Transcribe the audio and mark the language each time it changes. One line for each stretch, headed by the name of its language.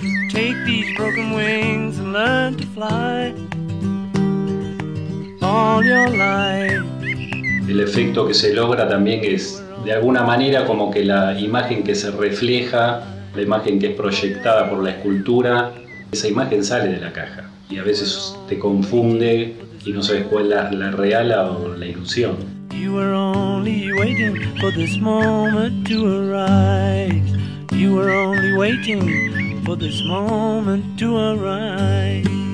English: Take these broken wings and learn to fly all your life.
Spanish: El efecto que se logra también es de alguna manera como que la imagen que se refleja, la imagen que es proyectada por la escultura, esa imagen sale de la caja y a veces te confunde y no sabes cuál es la real o la ilusión.
English: You were only waiting for this moment to arise. You were only waiting for this moment to arise.